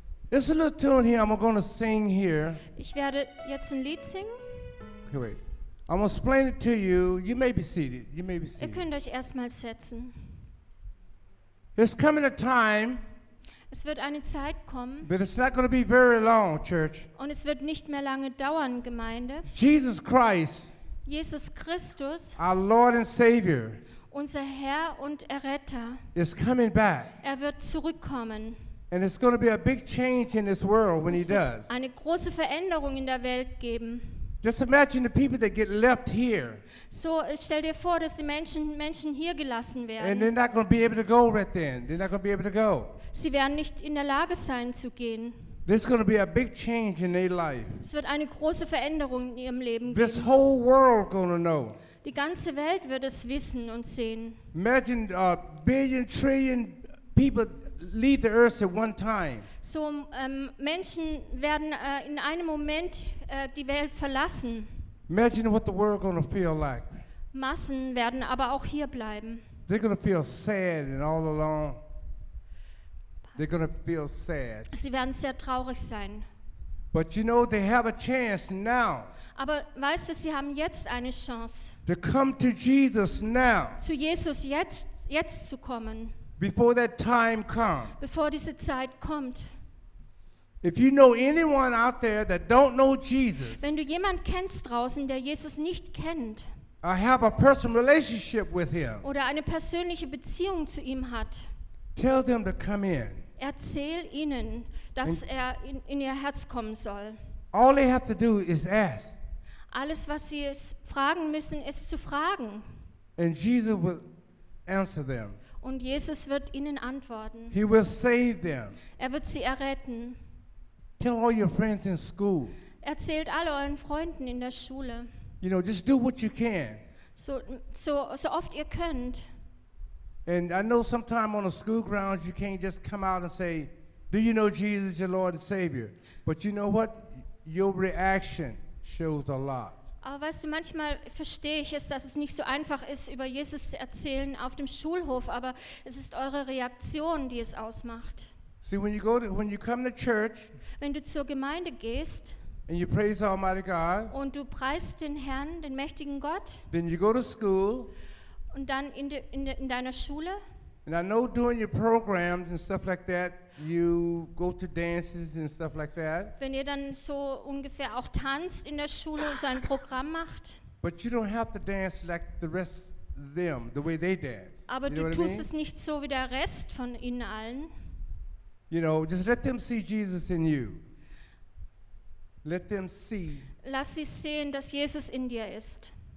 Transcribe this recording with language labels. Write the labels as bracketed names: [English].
[English] It's a little tune here I'm going to sing here. [German] Ich werde jetzt ein Lied singen. [English] Okay, wait. I'm going to explain it to you. You may be seated. You may be seated. [German] Ihr könnt euch erstmal setzen. [English] It's coming a time. [German] Es wird eine Zeit kommen. [English] But it's not going to be very long, church. [German] Und es wird nicht mehr lange dauern, Gemeinde. [English] Jesus Christ. [German] Jesus Christus. [English] Our Lord and Savior. [German] Unser Herr und Erretter. [English] Is coming back. [German] Er wird zurückkommen. [English] And it's going to be a big change in this world when he does. [German] Eine große Veränderung in der Welt geben. [English] Just imagine the people that get left here. [German] So, stell dir vor, dass die Menschen hier gelassen werden. [English] And they're not going to be able to go right then. They're not going to be able to go. [German] Sie werden nicht in der Lage sein zu gehen. [English] There's going to be a big change in their life. [German] Es wird eine große Veränderung in ihrem Leben geben. [English] This whole world going to know. [German] Die ganze Welt wird es wissen und sehen. [English] Imagine a billion, trillion people leave the earth at one time. [German] So Menschen werden in einem Moment die Welt verlassen. [English] Imagine what the world gonna feel like. [German] Massen werden aber auch hier bleiben. [English] They're gonna feel sad and all alone. They're gonna feel sad. [German] Sie werden sehr traurig sein. [English] But you know they have a chance now. [German] Aber weißt du, sie haben jetzt eine Chance. [English] To come to Jesus now. [German] Zu Jesus jetzt zu kommen. [English] Before that time comes. [German] Bevor diese Zeit kommt. [English] If you know anyone out there that don't know Jesus. [German] Wenn du jemand kennst draußen, der Jesus nicht kennt. [English] I have a personal relationship with him. [German] Oder eine persönliche Beziehung zu ihm hat. [English] Tell them to come in. [German] Erzähl ihnen, dass er in ihr Herz kommen soll. [English] All they have to do is ask. [German] Alles, was sie fragen müssen, ist zu fragen. [English] And Jesus will answer them. [German] Und Jesus wird ihnen antworten. [English] He will save them. [German] Er wird sie erretten. [English] Tell all your friends in school. [German] Erzählt all euren Freunden in der Schule. [English] You know, just do what you can. [German] So oft ihr könnt. [English] And I know sometimes on a school grounds you can't just come out and say, "Do you know Jesus, your Lord and Savior?" But you know what? Your reaction shows a lot. [German] Aber weißt du, manchmal verstehe ich es, dass es nicht so einfach ist, über Jesus zu erzählen auf dem Schulhof, aber es ist eure Reaktion, die es ausmacht. [English] See, when you come to church, [German] wenn du zur Gemeinde gehst, [English] and you praise Almighty God, [German] und du preist den Herrn, den mächtigen Gott, [English] then you go to school, [German] und dann in deiner Schule, [English] and I know doing your programs and stuff like that, you go to dances and stuff like that. [German] Wenn ihr dann so ungefähr auch tanzt in der Schule und so ein Programm macht. [English] But you don't have to dance like the rest of them, the way they dance. [German] Aber [English] you [German] du tust es nicht so wie der Rest von ihnen allen. [English] You know, just let them see Jesus in you. Let them see. [German] Lass sie sehen, dass Jesus in dir ist.